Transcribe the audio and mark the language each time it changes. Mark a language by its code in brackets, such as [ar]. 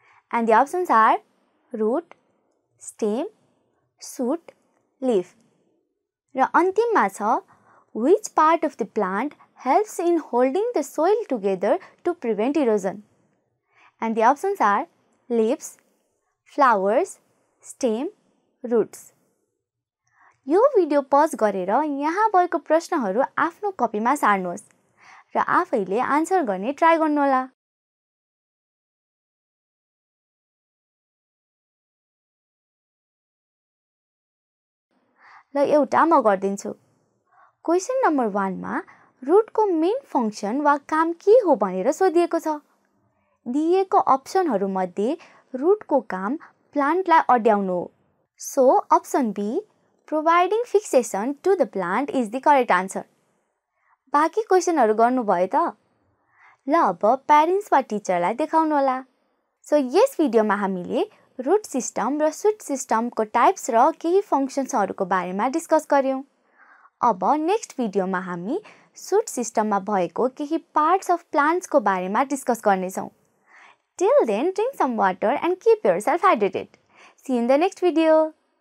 [en] And the options are root, stem, shoot, leaf. [ne] Ra antimma sa, [en] which part of the plant helps in holding the soil together to prevent erosion. And the options are leaves, flowers, stem, roots. [ne] यो video pause गरेर यहाँ भएको प्रश्नहरू आफ्नो कपीमा सार्नुहोस् र आफैले answer गर्ने ट्राई गर्नुहोला. ल एउटा म गरिदिन्छु. क्वेसन नम्बर वानमा रुटको मेन फङ्सन वा काम के हो भनेर सोधिएको छ. दिइएको अप्सनहरूमध्ये रुटको काम प्लान्टलाई अड्याउनु हो. [en] So option B providing fixation to the plant is the correct answer. [ne] बाँकी क्वेसनहरू गर्नुभयो त. ल अब प्यारेन्ट्स वा टिचरलाई देखाउनु होला. सो यस भिडियोमा हामीले रुट सिस्टम र सुट सिस्टमको टाइप्स र केही फङ्सन्सहरूको बारेमा डिस्कस गऱ्यौँ. अब नेक्स्ट भिडियोमा हामी सुट सिस्टममा भएको केही पार्ट्स अफ प्लान्ट्सको बारेमा डिस्कस गर्नेछौँ. [en] Till then, drink some water and keep yourself hydrated. See you in the next video.